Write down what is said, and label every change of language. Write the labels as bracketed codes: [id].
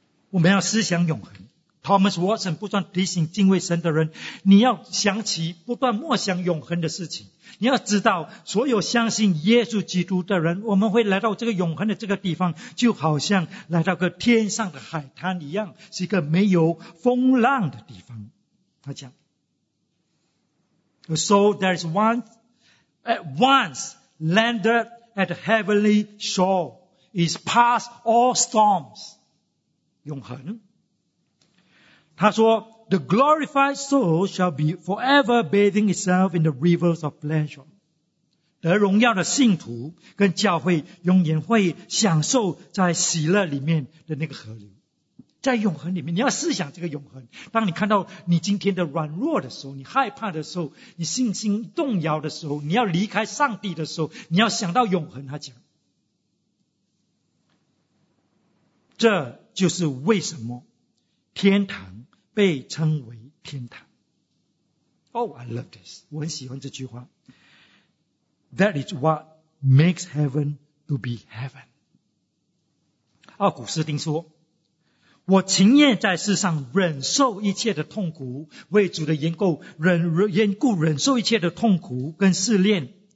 [zh] 我们要思想永恒。Thomas Watson 不断提醒敬畏神的人，你要想起不断默想永恒的事情。你要知道，所有相信耶稣基督的人，我们会来到这个永恒的这个地方，就好像来到个天上的海滩一样，是一个没有风浪的地方。他讲 [en] So there is one at once landed at the heavenly shore is past all storms. [zh] 永恒。他说 [en] The glorified soul shall be forever bathing itself in the rivers of pleasure. [zh] 得荣耀的信徒跟教会永远会享受在喜乐里面的那个河流。在永恒里面，你要思想这个永恒。当你看到你今天的软弱的时候，你害怕的时候，你信心动摇的时候，你要离开上帝的时候，你要想到永恒，他讲。这就是为什么天堂被称为天堂。 [en] Oh, I love this. [zh] 我很喜欢这句话。 [en] That is what makes heaven to be heaven. [zh] 奥古斯丁说，我情愿在世上忍受一切的痛苦，为主的缘故忍受一切的痛苦跟试炼。